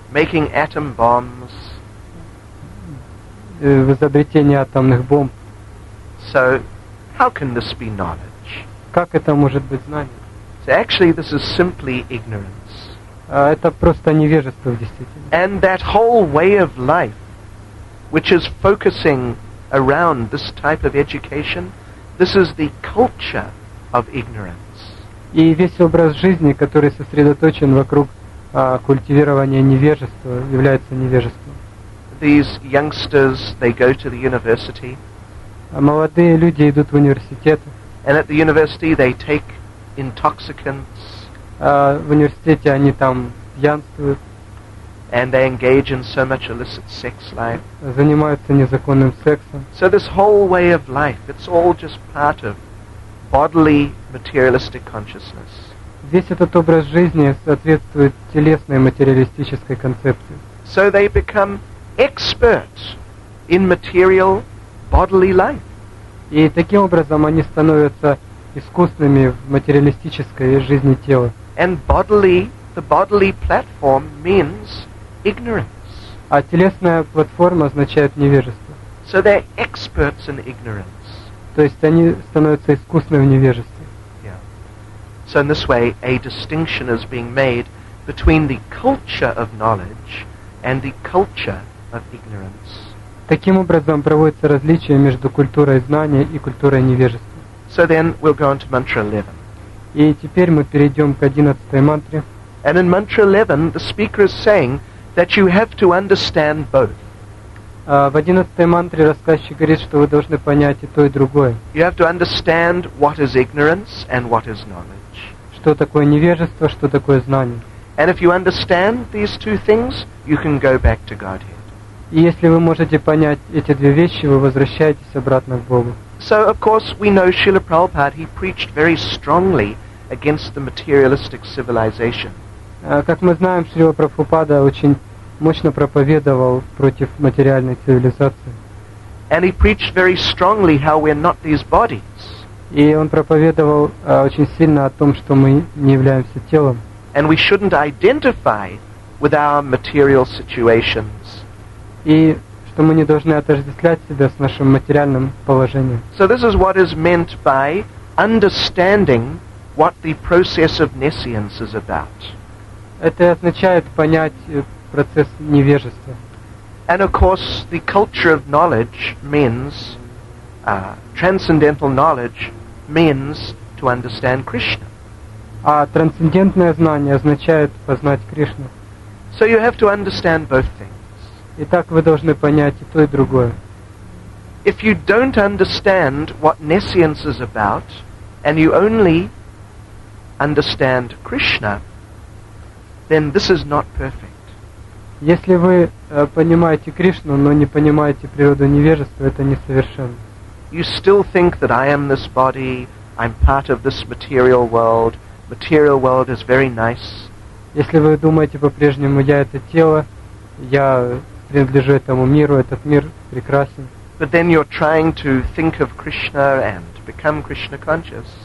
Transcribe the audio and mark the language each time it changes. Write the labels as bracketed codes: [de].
[en] Making atom bombs. [ru] В изобретении атомных бомб. [en] So, how can this be knowledge? [ru] Как это может быть знание? [en] So actually, this is simply ignorance. [ru] Это просто невежество в действительности. [en] And that whole way of life, which is focusing around this type of education, this is the culture of ignorance. [ru] И весь образ жизни, который сосредоточен вокруг культивирования невежества, является невежеством. [en] These youngsters, they go to the university. [ru] Молодые люди идут в университет. [en] And at the university they take intoxicants. [ru] В университете они там пьянствуют. [en] And they engage in so much illicit sex life. [ru] Занимаются незаконным сексом. [en] So this whole way of life, it's all just part of bodily materialistic consciousness. [ru] Весь этот образ жизни соответствует телесной материалистической концепции. [en] So they become experts in material bodily life. [ru] И таким образом они становятся искусными в материалистической жизни тела. [en] And bodily, the bodily platform means ignorance. [ru] А телесная платформа означает невежество. [en] So they're experts in ignorance. [ru] То есть они становятся искусными в невежестве. [en] Yeah. So in this way a distinction is being made between the culture of knowledge and the culture of ignorance. [ru] Таким образом проводится различие между культурой знания и культурой невежества. [en] So then we'll go on to mantra 11. [ru] И теперь мы перейдем к 11-й мантре. [en] And in mantra 11, the speaker is saying that you have to understand both. [ru] В 11-й мантре рассказчик говорит, что вы должны понять и то, и другое. [en] You have to understand what is ignorance and what is knowledge. [ru] Что такое невежество, что такое знание. [en] And if you understand these two things, you can go back to Godhead. [ru] И если вы можете понять эти две вещи, вы возвращаетесь обратно к Богу. [en] So, of course, we know Srila Prabhupada, he preached very strongly against the materialistic civilization. [ru] Как мы знаем, Шрила Прабхупада очень мощно проповедовал против материальной цивилизации. [en] And he preached very strongly how we're not these bodies. [ru] И он проповедовал очень сильно о том, что мы не являемся телом. [en] And we shouldn't identify with our material situations. [ru] И что мы не должны отождествлять себя с нашим материальным положением. [en] So this is what is meant by understanding what the process of nescience is about. [ru] Это означает понять процесс невежества. [en] And of course, the culture of knowledge means transcendental knowledge means to understand Krishna. [ru] А трансцендентное знание означает познать Кришну. [en] So you have to understand both things. [ru] Итак, вы должны понять и то, и другое. [en] If you don't understand what nescience is about, and you only understand Krishna, then this is not perfect. [ru] Если вы понимаете Кришну, но не понимаете природу невежества, это несовершенно. [en] You still think that I am this body, I'm part of this material world. Material world is very nice. [ru] Если вы думаете по-прежнему, я это тело, я принадлежу этому миру, этот мир прекрасен. [en] But then you're trying to think of Krishna and become Krishna conscious.